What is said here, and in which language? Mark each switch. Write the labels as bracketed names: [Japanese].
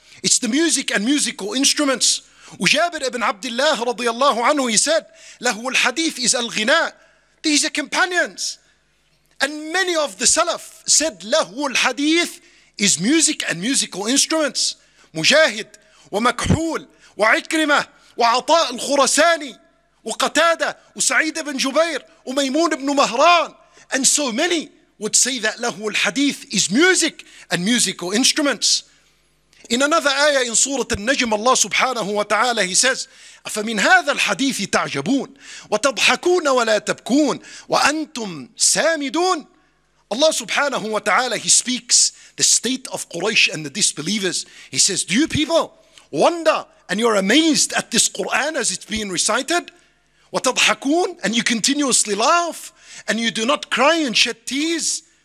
[English] It's the music and musical instruments. Ujabir ibn Abdullah radiallahu anhu, he said, له الحديث is al-ghina. These are companions. And many of the Salaf said, له الحديث is music and musical instruments. Mujahid wa makhul. [Arabic] وعكرمة وعطاء الخرساني وقتادة وسعيد بن جبير وميمون بن مهران. [English] And so many would say that لهو الحديث is music and musical instruments. In another ayah in Surah النجم, Allah سبحانه وتعالى, he says, [Arabic] أفمن هذا الحديث تعجبون وتضحكون ولا تبكون وأنتم سامدون. [English] Allah سبحانه وتعالى, he speaks the state of Quraysh and the disbelievers. He says, do you people wonder and you're amazed at this Quran as it's being recited? وَتَضْحَكُونَ, and you continuously laugh, and you do not cry and shed tears.